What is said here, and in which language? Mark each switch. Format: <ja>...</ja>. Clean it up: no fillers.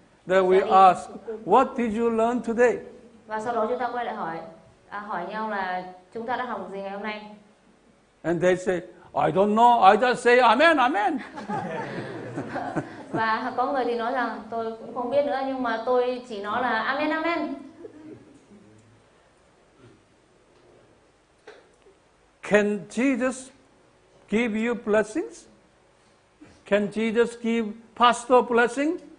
<en>Then we ask, what did you learn today?</en> <vi>Và sau đó chúng ta quay lại hỏi nhau là chúng ta đã học gì ngày hôm nay?</vi> <en>And they say, I don't know. I just say, amen, amen.</en> <vi>Và có người thì nói rằng tôi cũng không biết nữa, nhưng mà tôi chỉ nói là amen amen.</vi> <en>Can Jesus give you blessings? Can Jesus give pastor blessing?</en>